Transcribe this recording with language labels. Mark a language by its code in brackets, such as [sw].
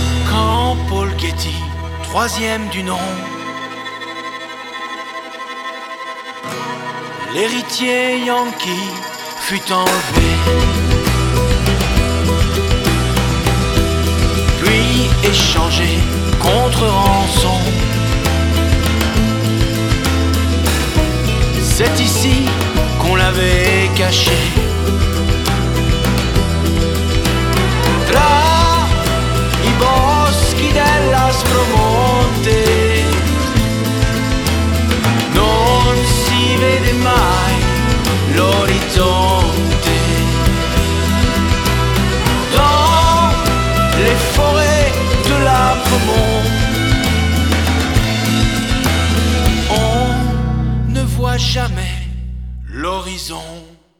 [fr] Quand Paul Getty, troisième du nom, l'héritier Yankee fut enlevé, puis échangé contre rançon. C'est ici qu'on l'avait caché. [it] Là, i boschi della Spromonte, non si vede mai l'orizzonte. [fr] Dans les forêts de la Bremont, on ne voit jamais l'horizon.